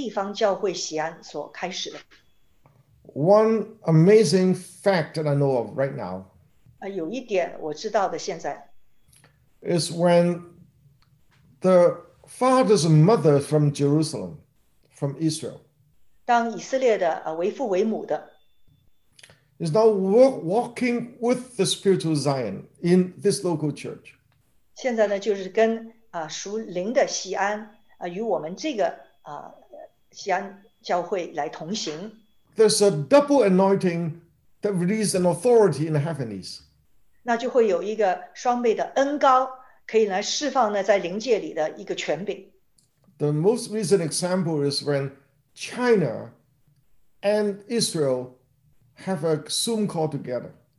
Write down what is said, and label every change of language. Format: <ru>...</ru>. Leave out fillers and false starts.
<zh>我也发现呢，在神的计划里面呢，有很多影响这个世界的事情，也是从我们这个地方教会锡安所开始的。</zh> <en>One amazing fact that I know of right now.</en> <zh>有一点我知道的现在。</zh> <en>Is when the fathers and mothers from Jerusalem, from Israel.</en> <zh>当以色列的为父为母的,</zh> <en>is now walking with the spiritual Zion in this local church.</en> <zh>现在呢就是跟属灵的锡安与我们这个锡安教会来同行。</zh> <en>There's a double anointing that releases an authority in the heavenlies.</en> <zh>那就会有一个双倍的恩膏。可以来释放呢，在灵界里的一个权柄。</zh> <en>The most recent example is when China and Israel have a Zoom call together.</en>